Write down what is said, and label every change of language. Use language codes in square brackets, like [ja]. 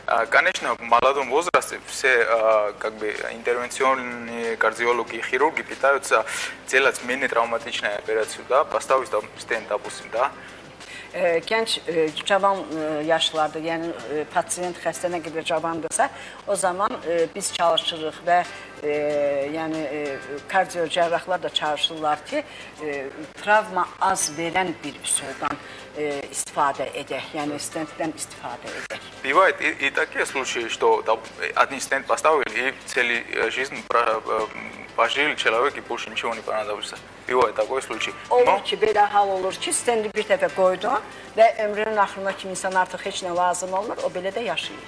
[ru] Конечно, в молодом возрасте все как бы интервенционные кардиологи и хирурги пытаются делать менее травматичные операции, да, поставить там стент, допустим, да. [az] Gənc, cavan yaşlılardır, yəni pasiyent xəstə nə qədər cavandırsa, o zaman biz çalışırıq və yəni, kardiyocərrahlar da çalışırlar ki, travma az verən bir üsuldan istifadə edək, yəni stentdən istifadə edək. [ru] Bivayət, и такие случаи, что один стент поставили и цели жизни пожили человек и больше ничего не понадобится. Бывает такой случай. [az] Olur ki, belə hal olur ki, stenti bir dəfə qoydun və ömrünün axırına kimi insan artıq heç nə lazım olmur, o belə də yaşayır.